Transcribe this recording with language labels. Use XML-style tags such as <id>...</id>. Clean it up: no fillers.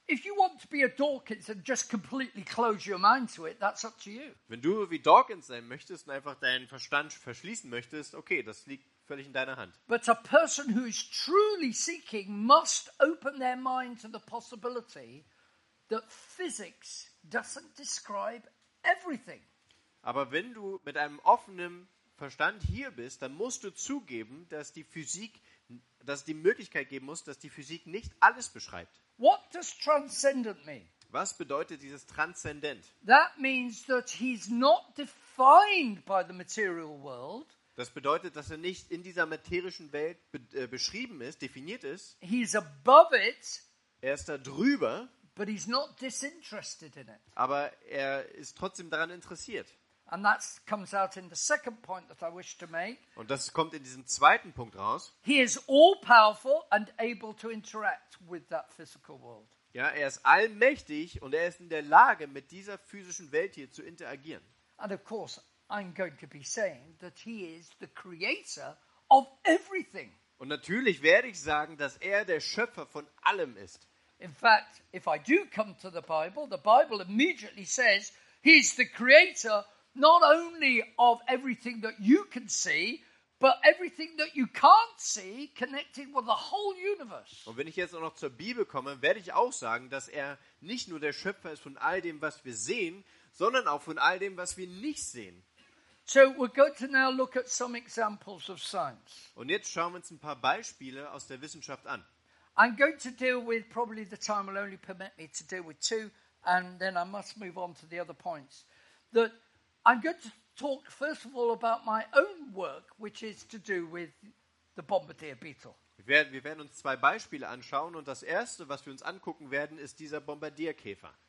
<en>If you want to be a Dawkins and just completely close your mind to it, that's up to you.</en> <de>Wenn du wie Dawkins sein möchtest und einfach deinen Verstand verschließen möchtest, okay, das liegt völlig in deiner Hand.</de> <en>But a person who is truly seeking must open their mind to the possibility that physics doesn't describe everything.</en> <de>Aber wenn du mit einem offenen Verstand hier bist, dann musst du zugeben, dass die Möglichkeit geben muss, dass die Physik nicht alles beschreibt.</de> <en>What does transcendent mean?</en> <de>Was bedeutet dieses Transzendent?</de> <en>That means that he's not defined by the material world.</en> <de>Das bedeutet, dass er nicht in dieser materischen Welt beschrieben ist, definiert ist.</de> <en>He's above it.</en> <de>Er ist da drüber.</de> <en>But he's not disinterested in it.</en> <de>Aber er ist trotzdem daran interessiert.</de> <en>And that comes out in the second point that I wish to make.</en> <de>Und das kommt in diesem zweiten Punkt raus.</de> <en>He is all powerful and able to interact with that physical world.</en> <de>Ja, er ist allmächtig und er ist in der Lage, mit dieser physischen Welt hier zu interagieren.</de> <en>And of course, I'm going to be saying that he is the creator of everything.</en> <de>Und natürlich werde ich sagen, dass er der Schöpfer von allem ist.</de> <en>In fact, if I do come to the Bible immediately says he's the creator not only of everything that you can see, but everything that you can't see connected with the whole universe.</en> <de>Und wenn ich jetzt auch noch zur Bibel komme, werde ich auch sagen, dass er nicht nur der Schöpfer ist von all dem, was wir sehen, sondern auch von all dem, was wir nicht sehen.</de> <en>So we're going to now look at some examples of science.</en> <de>Und jetzt schauen wir uns ein paar Beispiele aus der Wissenschaft an.</de> <en>I'm going to deal with, probably the time will only permit me to deal with two, and then I must move on to the other points. That I'm going to talk first of all about my own work, which is to do with the bombardier beetle.</en> <de>Wir werden uns zwei Beispiele anschauen, und das erste, was wir uns angucken werden, ist dieser Bombardierkäfer.</de>